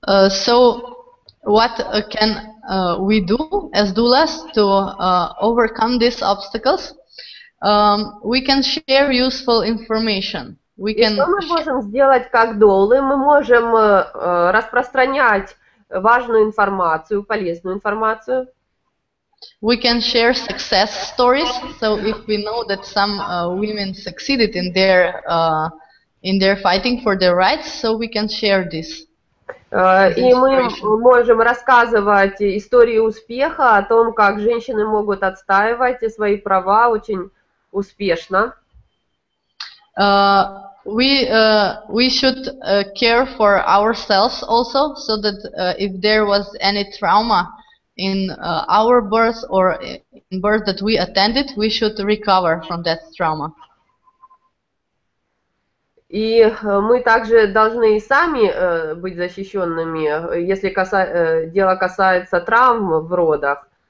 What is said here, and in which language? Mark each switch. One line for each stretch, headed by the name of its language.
English: So what can we do as doulas to overcome these obstacles? We can share useful information. We can.
Russian: Что мы можем сделать как доулы? Мы можем распространять важную информацию, полезную информацию.
English: We can share success stories. So if we know that some women succeeded in their fighting for their rights, so we can share this.
Russian: И мы можем рассказывать истории успеха о том, как женщины могут отстаивать свои права очень успешно.
English: We should care for ourselves also, so that if there was any trauma in our birth or in birth that we attended, we should recover from that trauma.
Russian: И мы также должны и сами быть защищенными, если дело касается травм в родах.